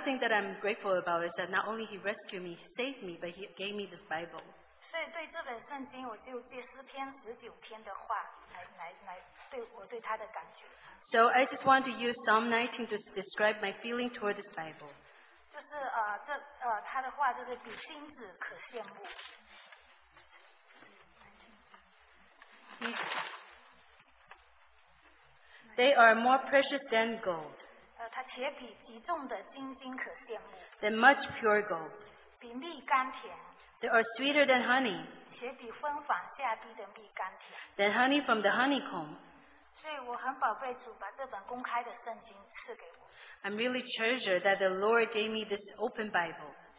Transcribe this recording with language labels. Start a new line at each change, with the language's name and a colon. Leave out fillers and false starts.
English: thing that I'm grateful about is that not only he rescued me, he saved me, but he gave me this Bible.
Chinese: 所以对这本圣经，我就借诗篇19篇的话来对我对他的感觉。
English: So I just want to use Psalm 19 to describe my feeling toward this Bible.
Chinese: 就是他的话就是比金子可羡慕。
English: They are more precious than gold.
Chinese: 它且比极重的金金可羡慕。
English: Than much pure gold.
Chinese: 比蜜甘甜。
English: They are sweeter than honey.
Chinese: 且比芬芳下滴的蜜甘甜。
English: Than honey from the honeycomb.
Chinese: 所以我很宝贝主把这本公开的圣经赐给我。
English: I'm really treasured that the Lord gave me this open Bible.